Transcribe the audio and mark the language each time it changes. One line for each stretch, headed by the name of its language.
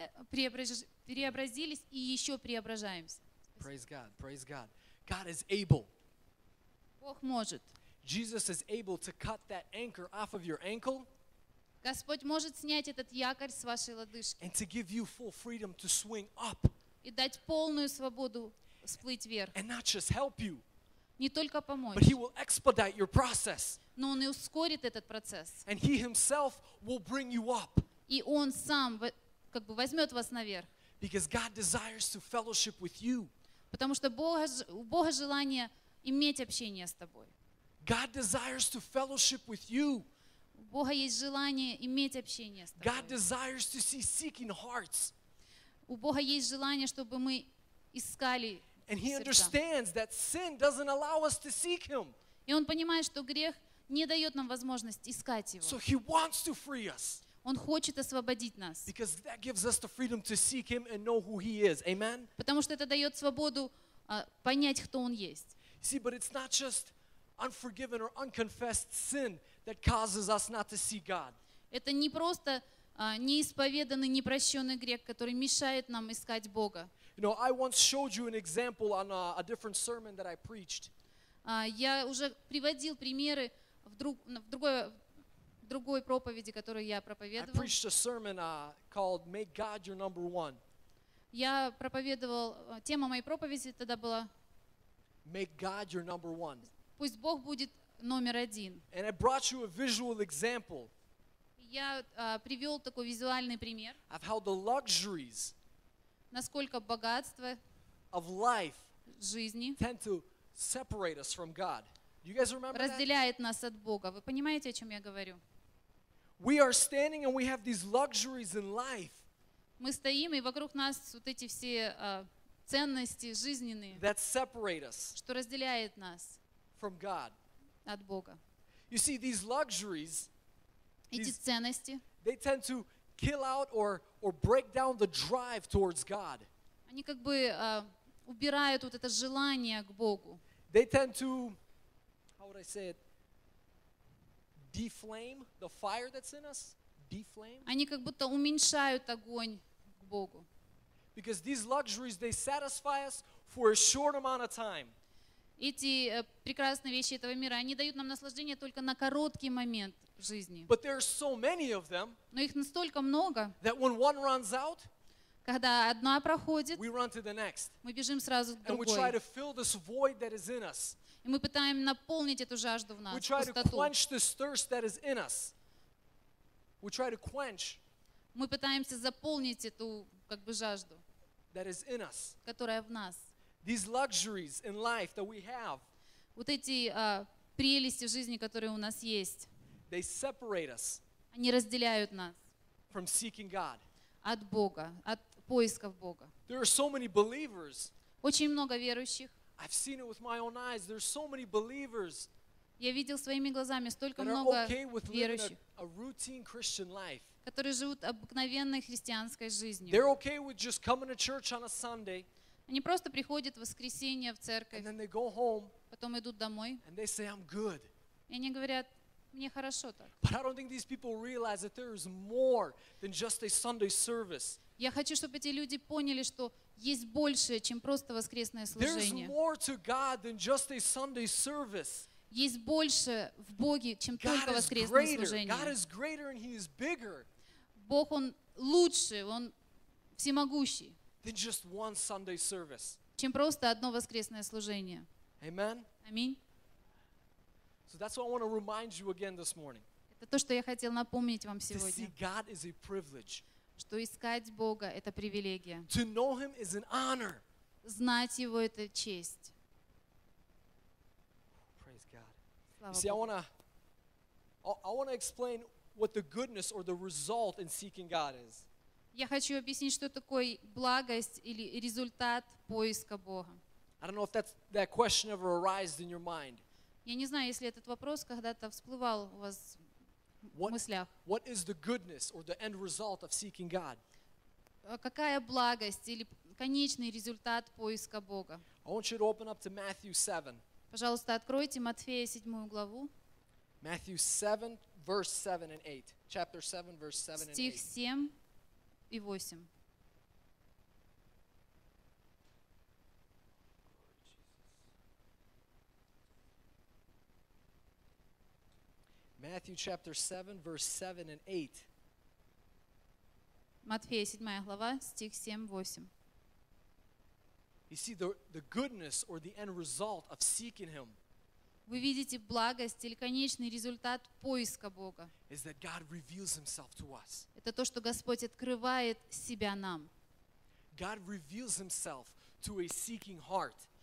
Russian: Преобразились и еще преображаемся.
English: Praise God, praise God. God is able.
Russian: Бог может.
English: Jesus is able to cut that anchor off of your ankle.
Russian: Господь может снять этот якорь с вашей лодыжки.
English: And to give you full freedom to swing up.
Russian: И дать полную свободу всплыть вверх.
English: And not just help you.
Russian: Не только помочь.
English: But He will expedite your process.
Russian: Но Он и ускорит этот процесс.
English: And He Himself will bring you up.
Russian: И Он сам как бы возьмет вас наверх.
English: Because God desires to fellowship with you.
Russian: Потому что у Бога желание иметь общение с тобой.
English: God desires to fellowship with you.
Russian: У Бога есть желание иметь общение с тобой.
English: God desires to see seeking hearts.
Russian: У Бога есть желание, чтобы мы искали сердца.
English: And He understands that sin doesn't allow us to seek Him.
Russian: И Он понимает, что грех не дает нам возможность искать Его.
English: So He wants to free us.
Russian: Он хочет освободить нас.
English: Because that gives us the freedom to seek Him and know who He is. Amen?
Russian: Потому что это дает свободу понять, кто Он есть.
English: See, but it's not just unforgiven or unconfessed sin that causes us not to see God.
Russian: Это не просто неисповеданный, непрощенный грех, который мешает нам искать Бога.
English: You know, I once showed you an example on a different sermon that I preached.
Russian: Я уже приводил примеры в другой проповеди, которую я проповедовал.
English: I preached a sermon called "Make God Your Number One."
Russian: Я проповедовал тема моей проповеди тогда была
English: "Make God Your Number One."
Russian: Пусть Бог будет номер один.
English: And I brought you a visual example.
Russian: Я привел такой визуальный пример.
English: Of how the luxuries.
Russian: Насколько богатство.
English: Of life.
Russian: Жизни.
English: Tend to separate us from God. Do you guys remember?
Russian: Разделяет
English: that?
Russian: Нас от Бога. Вы понимаете, о чем я говорю?
English: We are standing and we have these luxuries in life.
Russian: Мы стоим и вокруг нас вот эти все ценности жизненные.
English: That separate us.
Russian: Что разделяет нас.
English: From God.
Russian: От Бога.
English: You see, these luxuries,
Russian: эти ценности,
English: they tend to kill out or break down the drive towards God.
Russian: Они как бы убирают вот это желание к Богу.
English: They tend to, how would I say it, deflame the fire that's in us? Deflame?
Russian: Они как будто уменьшают огонь к Богу.
English: Because these luxuries, they satisfy us for a short amount of time.
Russian: Эти прекрасные вещи этого мира, они дают нам наслаждение только на короткий момент в жизни.
English: But there are so many of them,
Russian: но их настолько много,
English: that when one runs out,
Russian: когда одна проходит,
English: we run to the next,
Russian: мы бежим сразу к другой.
English: And we try to fill this void that is in us.
Russian: И мы пытаем наполнить эту жажду в нас,
English: we try
Russian: пустоту.
English: To quench this thirst that is in us. We try to quench,
Russian: мы пытаемся заполнить эту как бы жажду,
English: that is in us.
Russian: Которая в нас.
English: These luxuries in life that we have,
Russian: вот эти прелести жизни, которые у нас есть,
English: they separate us,
Russian: они разделяют нас,
English: from seeking God,
Russian: от Бога, от поисков Бога.
English: There are so many believers,
Russian: очень много верующих.
English: I've seen it with my own eyes. There are so many believers,
Russian: я видел своими глазами столько много верующих,
English: a routine Christian life,
Russian: которые живут обыкновенной христианской жизнью.
English: They're okay with just coming to church on a Sunday.
Russian: Они просто приходят в воскресенье в церковь,
English: home,
Russian: потом идут домой,
English: say,
Russian: и они говорят, мне хорошо так.
English: But I don't think these people realize that there is more than just a Sunday service.
Russian: Я хочу, чтобы эти люди поняли, что есть больше, чем просто воскресное служение.
English: More to God than just a Sunday service.
Russian: Есть больше в Боге, чем
English: God
Russian: только воскресное
English: greater.
Russian: Служение.
English: God is greater and He is bigger.
Russian: Бог, Он лучше, Он всемогущий.
English: Than just one Sunday service.
Russian: Чем просто одно воскресное служение.
English: Amen.
Russian: Аминь.
English: So that's what I want to remind you again this morning.
Russian: Это то, что я хотел напомнить вам сегодня.
English: To see God is a privilege.
Russian: Что искать Бога — это привилегия.
English: To know Him is an honor.
Russian: Знать Его — это честь.
English: Praise God. See, I want to explain what the goodness or the result in seeking God is.
Russian: Я хочу объяснить, что такое благость или результат поиска Бога.
English: I don't know if that question ever arose in your mind.
Russian: Я не знаю, если этот вопрос когда-то всплывал у вас в мыслях.
English: What is the goodness or the end result of seeking God?
Russian: Какая благость или конечный результат поиска Бога?
English: I want you to open up to Matthew 7.
Russian: Пожалуйста, откройте Матфея 7 главу.
English: Matthew 7, verse 7 and 8. Chapter 7, verse 7 and 8.
Russian: Стих 7 и 8.
English: Matthew chapter 7, verse 7 and 8.
Russian: Матфея 7 глава, стих 7-8.
English: You see the goodness or the end result of seeking Him.
Russian: Вы видите благость или конечный результат поиска Бога.
English: Is that God reveals Himself to us.
Russian: Это то, что Господь открывает Себя нам.
English: God reveals Himself to a seeking heart.